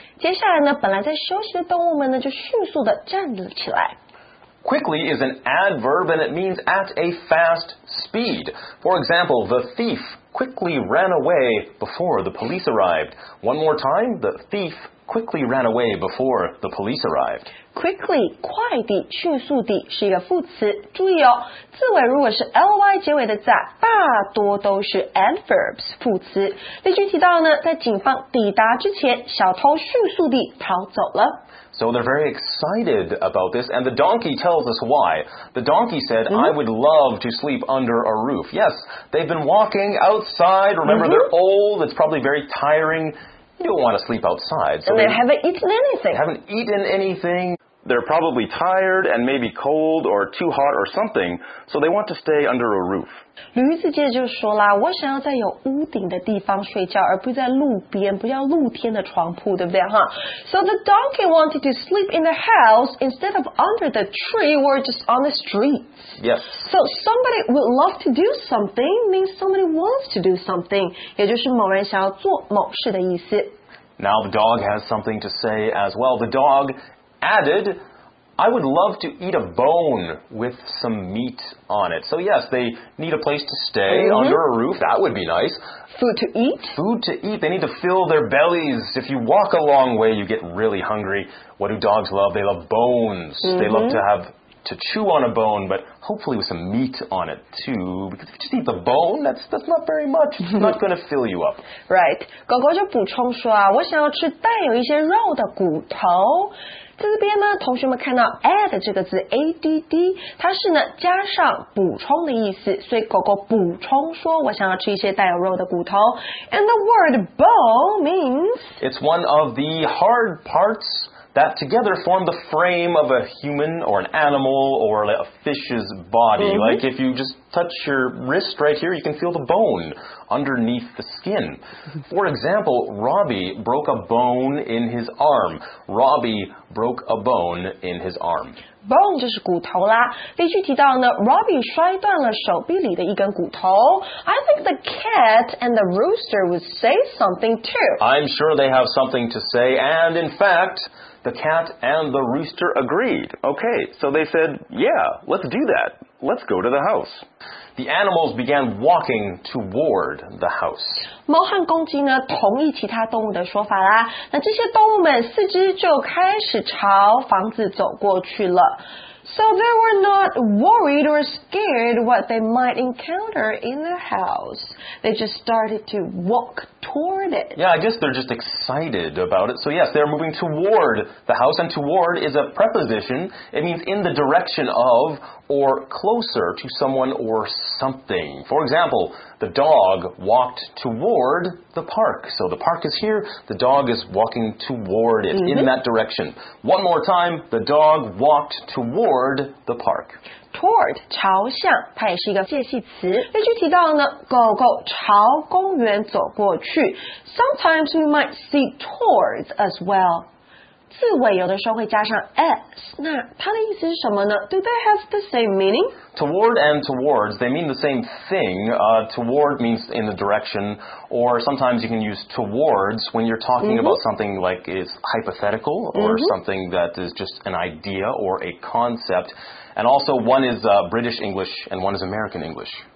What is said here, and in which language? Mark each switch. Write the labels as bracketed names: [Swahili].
[Chinese] 接下来呢，本来在休息的动物们呢，就迅速的站了起来。 [English] Quickly is an adverb and it means at a fast speed. For example, the thief quickly ran away before the police arrived. One more time, the thief quickly ran away before the police arrived. [Chinese] Quickly, 快地、迅速地是一个副词。注意哦，字尾如果是 ly 结尾的字，大多都是 adverbs 副词。例句提到呢，在警方抵达之前，小偷迅速地逃走了。 [English] So they're very excited about this, and the donkey tells us why. The donkey said, mm-hmm. I would love to sleep under a roof. Yes, they've been walking outside. Remember, mm-hmm. they're old. It's probably very tiring. You don't want to sleep outside. So they haven't eaten anything. They're probably tired and maybe cold or too hot or something, so they want to stay under a roof. [Chinese] 驴子接着就说啦，我想要在有屋顶的地方睡觉，而不在路边，不要露天的床铺，对不对哈？ [English] So the donkey wanted to sleep in the house instead of under the tree or just on the streets. Yes. So somebody would love to do something means somebody wants to do something, [Chinese] 也就是某人想要做某事的意思。 [English] Now the dog has something to say as well. The dog... added, I would love to eat a bone with some meat on it. So yes, they need a place to stay mm-hmm. under a roof. That would be nice. Food to eat. They need to fill their bellies. If you walk a long way, you get really hungry. What do dogs love? They love bones. Mm-hmm. They love to chew on a bone, but hopefully with some meat on it too. Because if you just eat the bone, that's not very much. It's not going to fill you up. [Chinese] Right. 狗狗就补充说啊，我想要吃带有一些肉的骨头。这边呢，同学们看到 add 这个字 ADD， 它是呢加上补充的意思，所以狗狗补充说，我想要吃一些带有肉的骨头。 [English] And the word bone means it's one of the hard parts that together form the frame of a human or an animal or a fish's body.、Mm-hmm. Like if you just touch your wrist right here, you can feel the bone underneath the skin. For example, Robbie broke a bone in his arm. [Chinese] Bone 就是骨头啦。例句提到呢 ，Robbie 摔断了手臂里的一根骨头。 [English] I think the cat and the rooster would say something too. I'm sure they have something to say, and in fact, the cat and the rooster agreed. Okay, so they said, yeah, let's do that. Let's go to the house. The animals began walking toward the house. 猫和公鸡呢同意其他动物的说法啦。那这些动物们四肢就开始朝房子走过去了。 So they were not worried or scared what they might encounter in the house. They just started to walk toward it. Yeah, I guess they're just excited about it. So yes, they're moving toward the house. And toward is a preposition. It means in the direction of or closer to someone or something. For example, the dog walked toward the park. So the park is here, the dog is walking toward it, mm-hmm. in that direction. One more time, the dog walked toward the park. [Chinese] Toward, 朝向，它也是一个介系词。例句提到呢，狗狗朝公园走过去。 [English] Sometimes we might see towards as well. [Chinese] 字尾有的时候会加上 s， 那它的意思是什么呢？ [English] Do they have the same meaning? Toward and towards, they mean the same thing. Toward means in the direction, or sometimes you can use towards when you're talking、mm-hmm. about something like is hypothetical or、mm-hmm. something that is just an idea or a concept. And also one is、British English and one is American English.